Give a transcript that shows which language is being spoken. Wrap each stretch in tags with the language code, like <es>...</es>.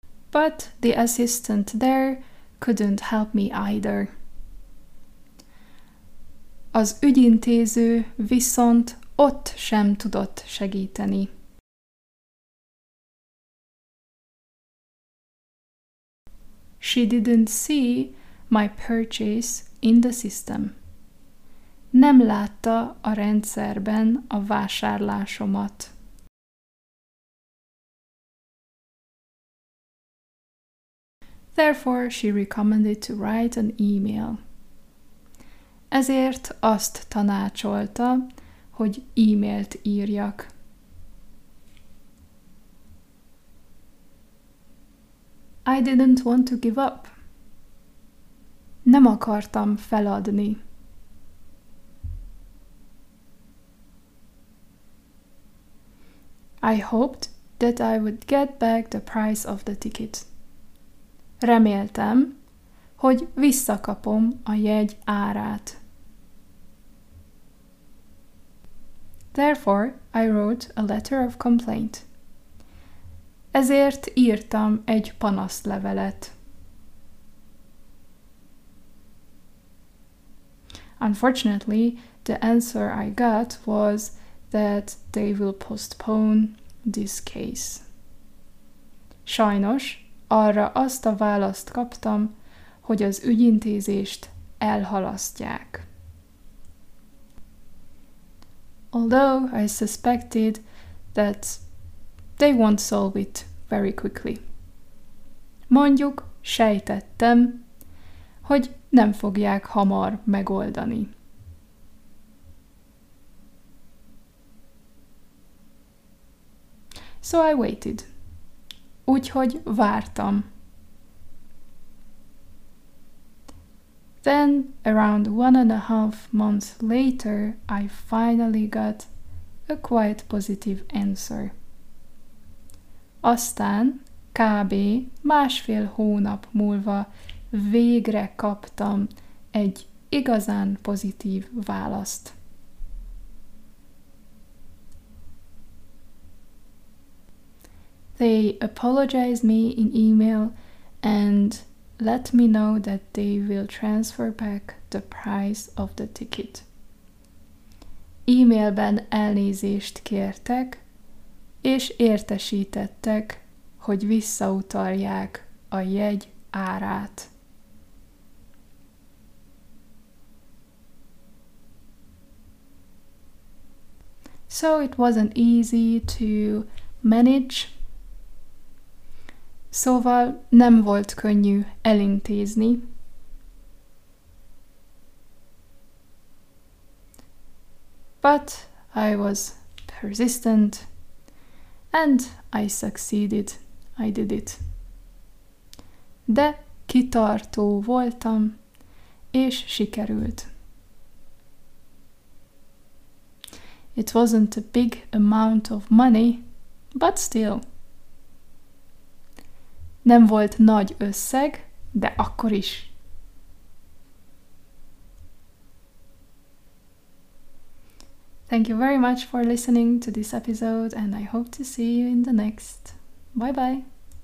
<en>But the assistant there couldn't help me either.</en> <hu>Az ügyintéző viszont ott sem tudott segíteni.</hu> <en>She didn't see my purchase in the system.</en> <hu>Nem látta a rendszerben a vásárlásomat.</hu> <en>Therefore, she recommended to write an email.</en> <hu>Ezért azt tanácsolta, hogy e-mailt írjak.</hu> <en>I didn't want to give up.</en> <hu>Nem akartam feladni.</hu> <en>I hoped that I would get back the price of the ticket.</en> <hu>Reméltem, hogy visszakapom a jegy árát.</hu> <en>Therefore, I wrote a letter of complaint.</en> <hu>Ezért írtam egy panaszlevelet.</hu> <en>Unfortunately, the answer I got was that they will postpone this case.</en> <hu>Sajnos, arra azt a választ kaptam, hogy az ügyintézést elhalasztják.</hu> <en>Although I suspected that they won't solve it very quickly.</en> <hu>Mondjuk, sejtettem, hogy nem fogják hamar megoldani.</hu> <en>So I waited.</en> <hu>Úgyhogy vártam.</hu> <en>Then, around 1.5 months later, I finally got a quite positive answer.</en> <hu>Aztán, kb. Másfél hónap múlva végre kaptam egy igazán pozitív választ.</hu> <en>They apologized me in email and let me know that they will transfer back the price of the ticket.</en> <hu>E-mailben elnézést kértek, és értesítettek, hogy visszautalják a jegy árát.</hu> <en>So it wasn't easy to manage.</en> <hu>Szóval nem volt könnyű elintézni.</hu> <en>But I was persistent. And I succeeded. I did it.</en> <hu>De kitartó voltam, és sikerült.</hu> <en>It wasn't a big amount of money, but still.</en> <hu>Nem volt nagy összeg, de akkor is.</hu> <en>Thank you very much for listening to this episode, and I hope to see you in the next. Bye-bye.</en>